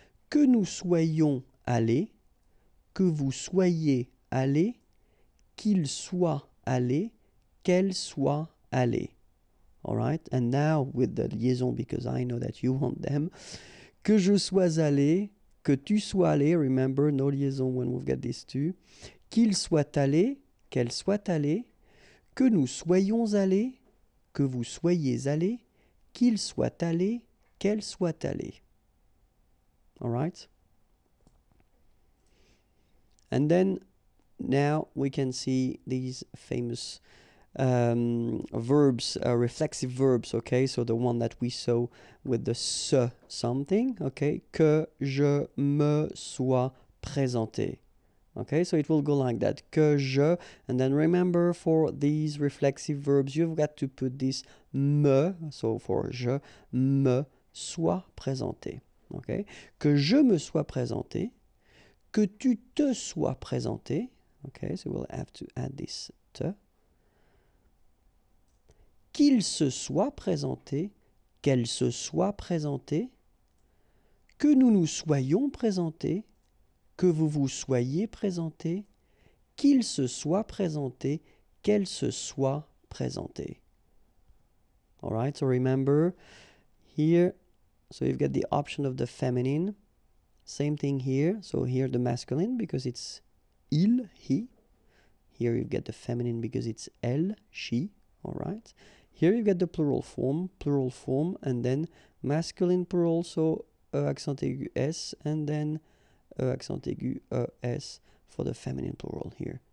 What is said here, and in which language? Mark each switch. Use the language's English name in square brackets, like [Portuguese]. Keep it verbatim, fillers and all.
[French] Que nous soyons allés, que vous soyez allés, qu'il soit allé, qu'elle soit allée. [English] All right? And now with the liaison, because I know that you want them. [French] Que je sois allé, que tu sois allé. [English] Remember, no liaison when we've got these two. [French] Qu'il soit allé, qu'elle soit allée, que nous soyons allés, que vous soyez allés, qu'il soit allé, qu'elle soit allée. [English] All right? And then now we can see these famous um, verbs, uh, reflexive verbs, okay? So the one that we saw with the se something, okay? [French] Que je me sois présenté. [English] Okay, so it will go like that. [French] Que je, [English] and then remember for these reflexive verbs, you've got to put this me, so for je, [French] me, sois présenté. [English] Okay? [French] Que je me sois présenté, que tu te sois présenté, [English] okay, so we'll have to add this [French] te, qu'il se soit présenté, qu'elle se soit présentée, que nous nous soyons présentés, que vous vous soyez présentés, qu'il se soit présenté, qu'elle se soit présentée. [English] All right, so remember here, so you've got the option of the feminine. Same thing here. So here the masculine because it's il, he. Here you've got the feminine because it's elle, she. All right. Here you've got the plural form, plural form, and then masculine plural, so e accent aigu s, and then e accent aigu es for the feminine plural here.